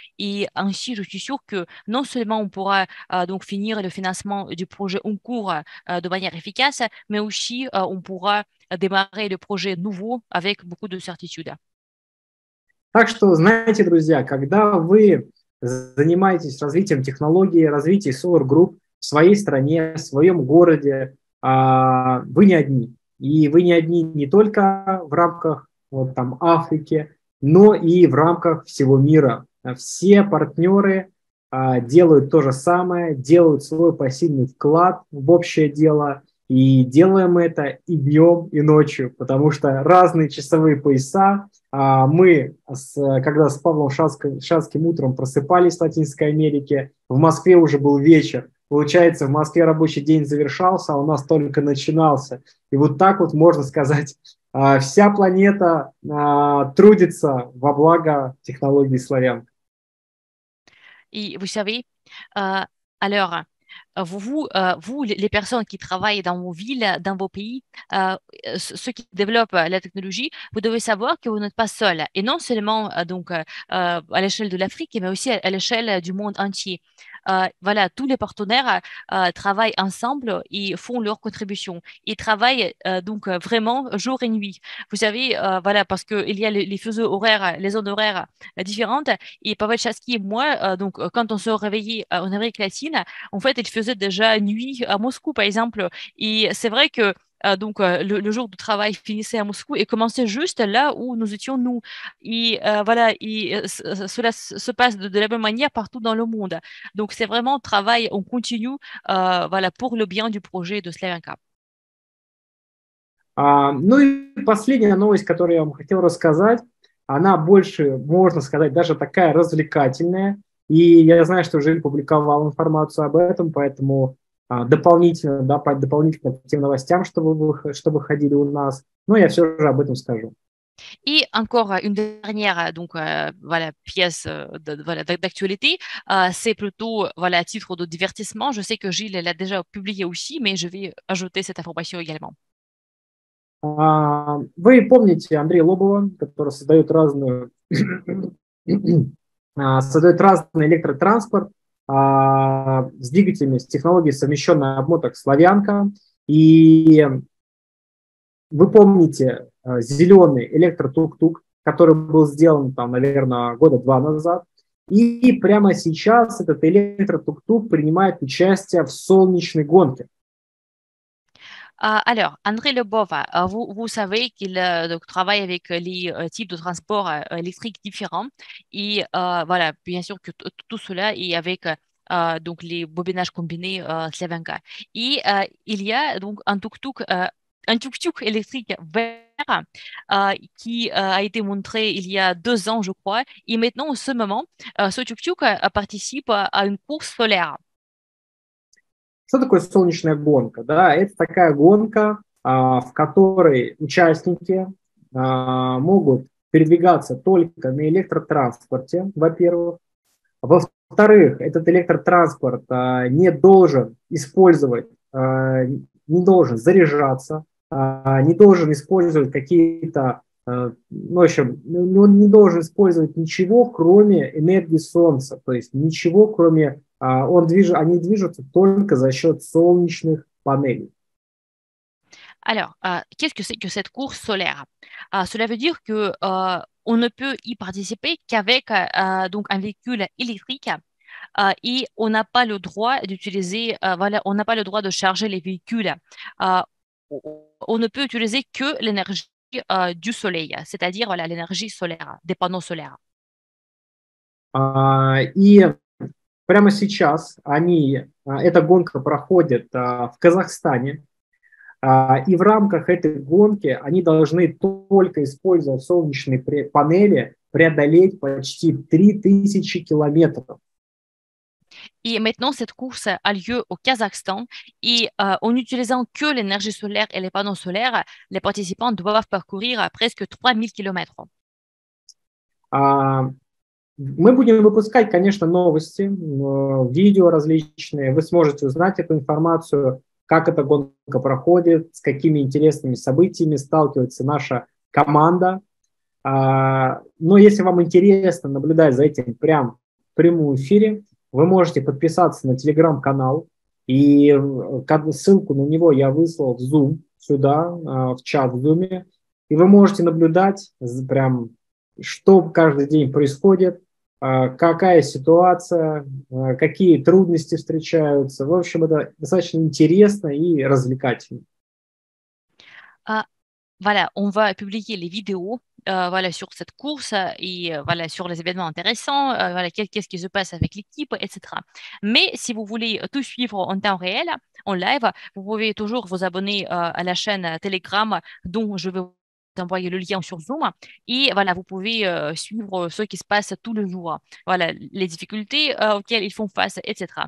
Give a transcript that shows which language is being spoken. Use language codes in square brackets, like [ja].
[fr] Et ainsi, je suis sûre que non seulement on pourra donc finir le financement du projet en cours de manière efficace, mais aussi on pourra démarrer le projet nouveau avec beaucoup de certitude. [ru] Так что, знаете, друзья, когда вы занимаетесь развитием технологии, развитием Solar Group в своей стране, в своем городе, вы не одни. И вы не одни не только в рамках вот, там, Африки, но и в рамках всего мира. Все партнеры делают то же самое, делают свой пассивный вклад в общее дело. И делаем это и днем, и ночью, потому что разные часовые пояса. Мы, когда с Павлом Шацким утром просыпались в Латинской Америке, в Москве уже был вечер. Получается, в Москве рабочий день завершался, а у нас только начинался. И вот так вот, можно сказать, вся планета трудится во благо технологий славян. И вы [fr] savez, alors... Vous, les personnes qui travaillent dans vos villes, dans vos pays, ceux qui développent la technologie, vous devez savoir que vous n'êtes pas seul. Et non seulement donc, à l'échelle de l'Afrique, mais aussi à l'échelle du monde entier. Voilà, tous les partenaires travaillent ensemble et font leur contribution. Ils travaillent donc vraiment jour et nuit. Vous savez, voilà, parce qu'il y a les fuseaux horaires, les zones horaires différentes. Et Pavel Chatsky et moi, donc, quand on se réveillait en Amérique latine, en fait, il faisait déjà nuit à Moscou, par exemple. Et c'est vrai que donc, le jour de travail finissait à Moscou et commençait juste là où nous étions nous. Et voilà, et cela se passe de la même manière partout dans le monde. Donc, c'est vraiment travail en continu voilà, pour le bien du projet de Slavenka. [ru] Ну и последняя новость, которую я вам хотел рассказать, она больше, можно сказать, даже такая развлекательная. И я знаю, что Жиль публиковал информацию об этом, поэтому дополнительно, да, дополнительно к тем новостям, чтобы выходили у нас. Но я все же об этом скажу. [fr] И encore une dernière donc voilà pièce de, voilà d'actualité c'est plutôt voilà à titre de divertissement. Je sais que Gilles l'a déjà publié aussi, mais je vais ajouter cette information également. [ru] Вы помните Андрея Лобова, который создает разную создает разный электротранспорт с двигателями, с технологией совмещенной обмоток «Славянка». И вы помните зеленый электротук-тук, который был сделан, там, наверное, года два назад. И прямо сейчас этот электротук-тук принимает участие в солнечной гонке. [fr] Alors, André Lebov, vous savez qu'il donc, travaille avec les types de transports électriques différents. Et voilà, bien sûr que tout cela est avec donc, les bobinages combinés Slavenka. Et il y a donc un tuk-tuk électrique vert qui a été montré il y a deux ans, je crois. Et maintenant, en ce moment, ce tuk-tuk participe à une course solaire. [ru] Что такое солнечная гонка? Да, это такая гонка, в которой участники могут передвигаться только на электротранспорте, во-первых. Во-вторых, этот электротранспорт не должен использовать, не должен заряжаться, не должен использовать какие-то, ну, в общем, он не должен использовать ничего, кроме энергии солнца, то есть ничего, кроме... Они движутся только за счет солнечных панелей. [fr] Alors, qu'est-ce que c'est que cette course solaire? Cela veut dire que on ne peut y participer qu'avec donc un véhicule électrique et on n'a pas le droit d'utiliser voilà, on n'a pas le droit de charger les véhicules. On ne peut utiliser que l'énergie du soleil, c'est-à-dire voilà, l'énergie solaire, des panneaux solaires. [ru] Прямо сейчас они, эта гонка проходит в Казахстане, и в рамках этой гонки они должны только используя солнечные панели преодолеть почти 3000 километров. [fr] И maintenant cette course a lieu au Kazakhstan и en utilisant que l'énergie solaire et les panneaux solaires, les participants doivent parcourir presque 3000 km. [ru] Мы будем выпускать, конечно, новости, видео различные. Вы сможете узнать эту информацию, как эта гонка проходит, с какими интересными событиями сталкивается наша команда. Но если вам интересно наблюдать за этим прямо в прямом эфире, вы можете подписаться на телеграм-канал, и ссылку на него я выслал в Zoom сюда, в чат в Zoom, и вы можете наблюдать прям, что каждый день происходит, какая ситуация, какие трудности встречаются. В общем, это достаточно интересно и развлекательно. [fr] Voilà, on va publier les vidéos voilà, sur cette course et voilà, sur les événements intéressants, voilà, qu'est-ce qui se passe avec l'équipe, etc. Mais si vous voulez tout suivre en temps réel, en live, vous pouvez toujours vous abonner à la chaîne Telegram dont je vais vous envoyer le lien sur Zoom et voilà, vous pouvez suivre ce qui se passe tout le jour, voilà, les difficultés auxquelles ils font face, etc.